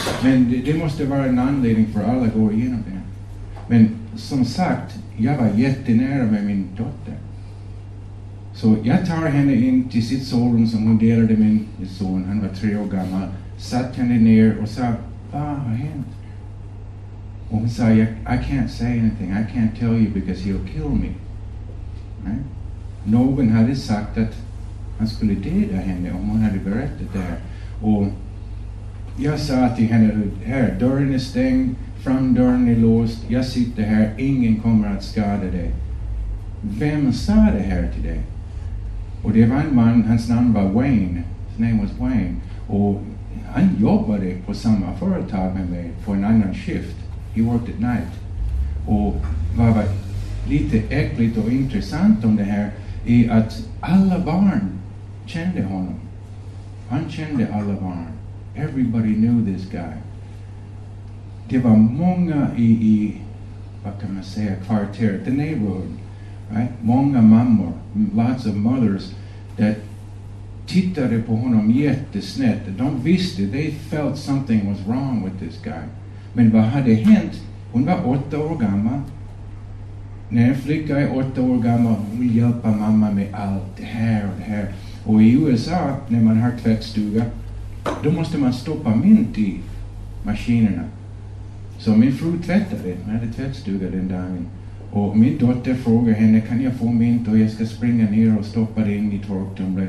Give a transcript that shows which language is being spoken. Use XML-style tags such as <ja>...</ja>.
<sv>Men det måste vara en anledning för alla att gå igenom det. Men som sagt, jag var jättenära med min dotter. Så jag tar henne in till sitt sovrum som hon delade med min son. Han var 3 år gammal. Satt henne ner och sa, vad har hänt?</sv> <en>Och hon sa, I can't say anything. I can't tell you because he'll kill me. Right?</en> <sv>Någon hade sagt att han skulle döda henne om hon hade berättat det här. Och jag sa till henne, här, dörren är stängd, fram dörren är låst. Jag sitter här, ingen kommer att skada dig. Vem sa det här till dig? Och det var en man, hans namn var Wayne.</sv> <en>His name was Wayne.</en> <sv>Och han jobbade på samma företag med mig på en annan shift.</sv> <en>He worked at night.</en> <sv>Och vad var lite äckligt och intressant om det här är att alla barn kände honom. Han kände alla barn.</sv> <en>Everybody knew this guy.</en> <sv>Det var många i vad kan man säga, kvarter,</sv> <en>the neighborhood, right?</en> <sv>Många mammor,</sv> <en>lots of mothers that</en> <sv>tittade på honom jättesnett. De visste,</sv> <en>they felt something was wrong with this guy.</en> <sv>Men vad hade hänt? Hon var 8 år gammal. När en flicka är 8 år gammal, hon vill hjälpa mamma med allt det här och det här. Och i USA, när man har tvättstuga, då måste man stoppa mynt i maskinerna. Så min fru tvättade, hon hade tvättstuga den dagen. Och min dotter frågar henne, kan jag få mynt och jag ska springa ner och stoppa det in i torktumlaren.</sv>